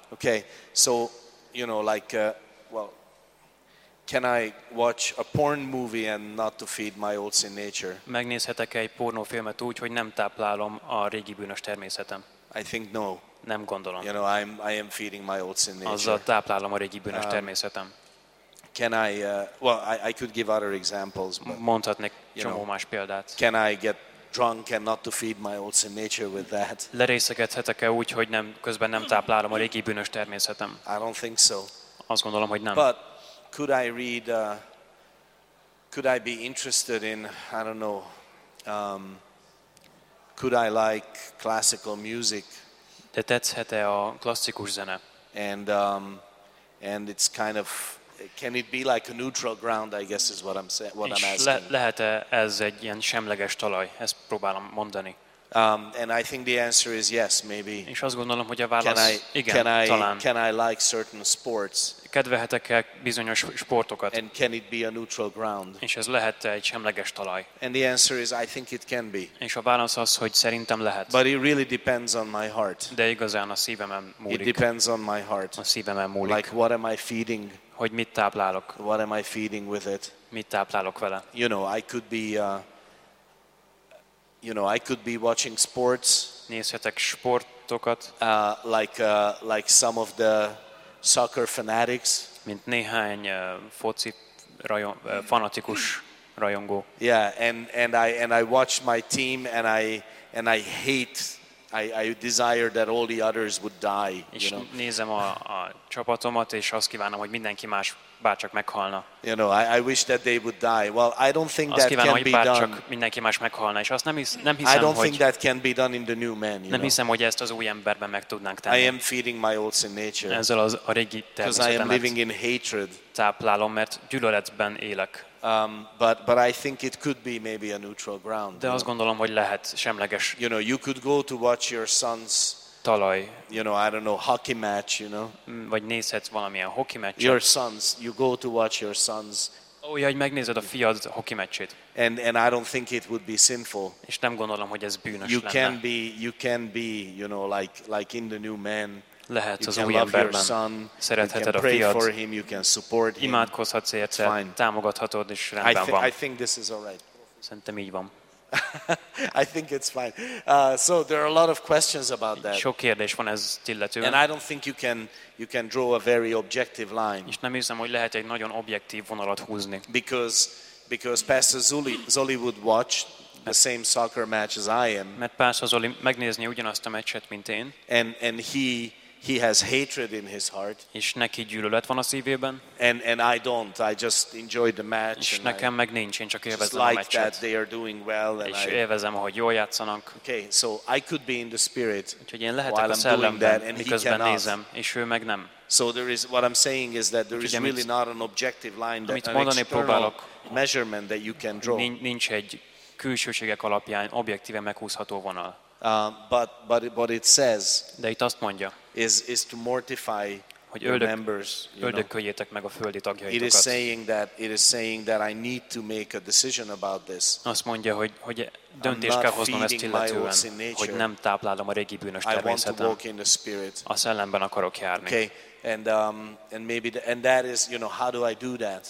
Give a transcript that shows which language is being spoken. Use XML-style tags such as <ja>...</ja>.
<en>Okay, so you know, like, can I watch a porn movie and not to feed my old sin nature?</en> <hu>Megnézhetek egy pornófilmet úgy, hogy nem táplálom a régi bűnös természetem?</hu> <en>I think no.</en> <hu>Nem gondolom.</hu> <en>You know, I am feeding my old sin nature.</en> <hu>Azzal táplálom a régi bűnös természetem.</hu> <en>Can I I could give other examples, but</en> <hu>mondhatnék csomó más példát.</hu> <en>Can I get drunk and not to feed my old sin nature with that?</en> <hu>Lerészegethetek-e úgy, hogy nem közben nem táplálom a régi bűnös természetem?</hu> <en>I don't think so.</en> <hu>Azt gondolom, hogy nem.</hu> <en>But could I be interested in, I don't know, could I like classical music?</en> <hu>De tetszhet-e a klasszikus zene?</hu> <en>And it's kind of, can it be like a neutral ground, I guess is what I'm asking.</en> <hu>Lehet-e ez egy ilyen semleges talaj? Ezt próbálom mondani.</hu> <en>And I think the answer is yes, maybe.</en> <hu>És azt gondolom, hogy a válasz</hu> <en>can I,</en> <hu>igen,</hu> <en>can I,</en> <hu>talán.</hu> <en>Can I like certain sports?</en> <hu>Kedvehetek-e bizonyos sportokat?</hu> <en>And can it be a neutral ground?</en> <hu>És ez lehet egy semleges talaj?</hu> <en>And the answer is I think it can be.</en> <hu>És a válasz az, hogy szerintem lehet.</hu> <en>But it really depends on my heart.</en> <hu>De igazán a szívemen múlik.</hu> <en>It depends on my heart.</en> <hu>A szívemen múlik.</hu> <en>Like what am I feeding?</en> <hu>Hogy mit táplálok?</hu> <en>What am I feeding with it?</en> <hu>Mit táplálok vele?</hu> <en>You know, I could be I could be watching sports.</en> <hu>Nézhetek sportokat.</hu> <en>Like some of the soccer fanatics.</en> <hu>Mint néhány foci fanatikus rajongó.</hu> <en>Yeah, and I watch my team and I desire that all the others would die.</en> <hu>És nézem a csapatomat és azt kívánom, hogy mindenki más bárcsak meghalna.</hu> <en>You know, I wish that they would die. Well, I don't think that can be done.</en> <hu>Azt kívánom, hogy bárcsak mindenki más meghalna, és azt nem hiszem, hogy...</hu> <en>I don't think that can be done in the new man, you know.</en> <hu>Nem hiszem, hogy ezt az új emberben meg tudnánk tenni.</hu> <en>I am feeding my old sin nature.</en> <hu>Ezzel az a régi természetemet.</hu> <en>Because I am living in hatred.</en> <hu>Táplálom, mert gyűlöletben élek.</hu> <en>But I think it could be maybe a neutral ground.</en> <hu>De azt gondolom, hogy lehet semleges.</hu> <en>You know, you could go to watch your son's</en> <hu>talaj.</hu> <en>You know, I don't know, hockey match, you know.</en> <hu>Vagy nézhetsz valamilyen hockey meccset.</hu> <en>Your sons, you go to watch your sons.</en> <hu>Oh, ja, hogy megnézed a fiad hockey meccsét.</hu> <en>And I don't think it would be sinful.</en> <hu>És nem gondolom, hogy ez bűnös lenne.</hu> <en>You can be, you know, like in the new man.</en> <hu>Lehet</hu> <en>you</en> <hu>az új emberben.</hu> <en>Son,</en> <hu>szeretheted a fiad.</hu> <en>For him, you can support him.</en> <hu>Imádkozhatsz érte, támogathatod, és rendben van.</hu> <en>I think this is all right.</en> <hu>Szerintem így van.</hu> <en>I think it's fine. So there are a lot of questions about that.</en> <hu>Sok kérdés van ez illetően.</hu> <en>And I don't think you can draw a very objective line.</en> <hu>És nem hiszem, hogy lehet egy nagyon objektív vonalat húzni.</hu> <en>Because Pastor Zoli would watch the same soccer match as I am.</en> <hu>Mert Pastor Zoli megnézni ugyanazt a meccset, mint én.</hu> <en>And he has hatred in his heart.</en> <hu>És neki gyűlölet van a szívében.</hu> <en>And I don't. I just enjoy the match.</en> <hu>És nekem meg nincs, én csak élvezem a meccset.</hu> <en>Like that they are doing well.</en> <hu>És élvezem, hogy jól játszanak.</hu> <en>Okay, so I could be in the spirit.</en> <hu>Úgyhogy én lehetek a szellemben, miközben nézem, és ő meg nem.</hu> <en>So there is what I'm saying is that there is really not an objective line that an external</en> <hu>próbálok,</hu> <en>measurement that you can draw.</en> <hu>Nincs egy külsőségek alapján objektíven meghúzható vonal.</hu> <en>But it says.</en> <hu>De itt azt mondja.</hu> <en>Is to mortify your members.</en> <hu>Öldököljétek meg a földi tagjaitokat.</hu> <en>It is saying that I need to make a decision about this.</en> <hu>Azt mondja, hogy döntést kell hoznom ezt illetően, hogy nem táplálom a régi bűnös természetet. A szellemben akarok járni.</hu> <en>Okay. And that is, you know, how do I do that?</en>